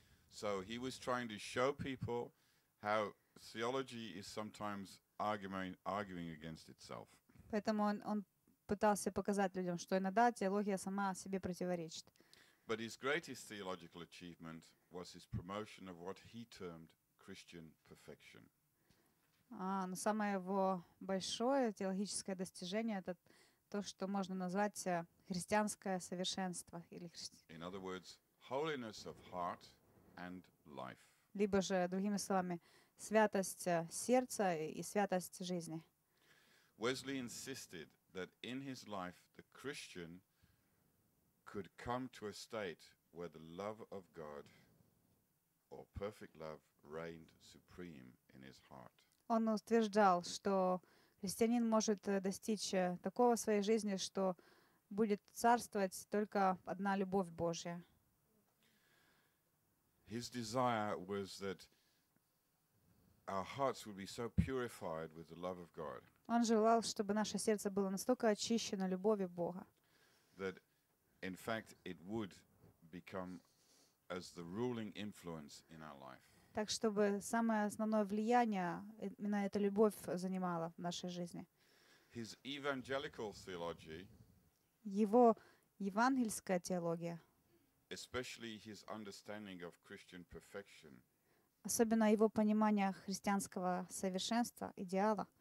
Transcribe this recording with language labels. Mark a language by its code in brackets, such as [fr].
[en] So he was trying to show people how theology is sometimes arguing against itself. [ru] Поэтому он пытался показать людям, что иногда теология сама себе противоречит. [en] But his greatest theological achievement was his promotion of what he termed Christian perfection. [ru] Но самое его большое теологическое достижение это то, что можно назвать христианское совершенство или [en] In other words, holiness of heart and life. [ru] Либо же другими словами, святость сердца и святость жизни. [en] Wesley insisted that in his life the Christian could come to a state where the love of God or perfect love reigned supreme in his heart. [ru] Он утверждал, что христианин может достичь такого в своей жизни, что будет царствовать только одна любовь Божья. [en] His desire was that our hearts would be so purified with the love of God. [ru] Он желал, чтобы наше сердце было настолько очищено любовью Бога. [en] That in fact it would become as the ruling influence in our life. [ru] Так чтобы самое основное влияние именно эта любовь занимала в нашей жизни. [en] His evangelical theology. [ru] Его евангельская теология. [en] Especially his understanding of Christian perfection. [ru] Особенно его понимание христианского совершенства, идеала.